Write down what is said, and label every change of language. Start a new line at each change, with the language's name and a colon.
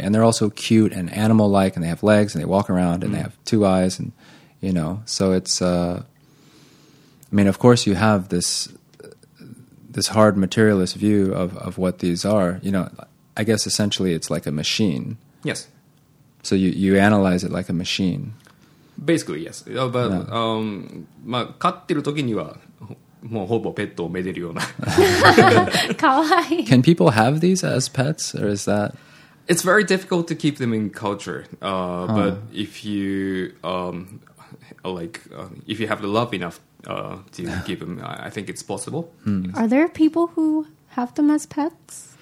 English: And they're also cute and animal-like, and they have legs and they walk around and they have two eyes, and, you know, so it's, I mean, of course you have this hard materialist view of what these are. You know, I guess essentially it's like a machine. Yes. So you analyze it like a machine. Basically, yes.
Japanese: But まあ飼ってる時にはもうほぼペットをめでるような。かわいい。
English: Can people have these as pets, or is that? It's very difficult to keep them in culture. But if you if you have the love enough to keep them, I think it's possible. Hmm. Are there people who have them as pets?